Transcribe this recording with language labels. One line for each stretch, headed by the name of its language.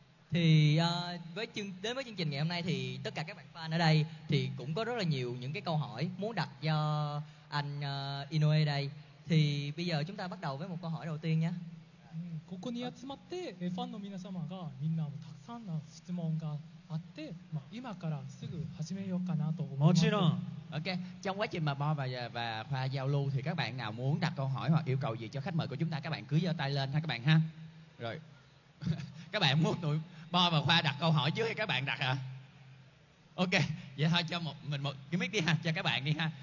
Vietnamese: Thì đến với chương trình ngày hôm nay thì tất cả các bạn fan ở đây thì cũng có rất là nhiều những cái câu hỏi muốn đặt cho anh Inoue đây. Thì bây giờ chúng ta bắt đầu với một câu hỏi đầu tiên nhé.
Japanese: ここに集まってファンの皆様がみんなもたくさんの質問が。あって、まあ、今からすぐ始めようかなと思います。もちろん。
English: OK。
Vietnamese: trong quá trình mà Bo và Khoa giao lưu thì các bạn nào muốn đặt câu hỏi hoặc yêu cầu gì cho khách mời của chúng ta, các bạn cứ giơ tay lên ha các bạn ha. Rồi. Các bạn muốn tụi Bo và Khoa đặt câu hỏi trước hay các bạn đặt hả? OK. Vậy thôi cho mình một cái mic đi ha, cho các bạn đi ha.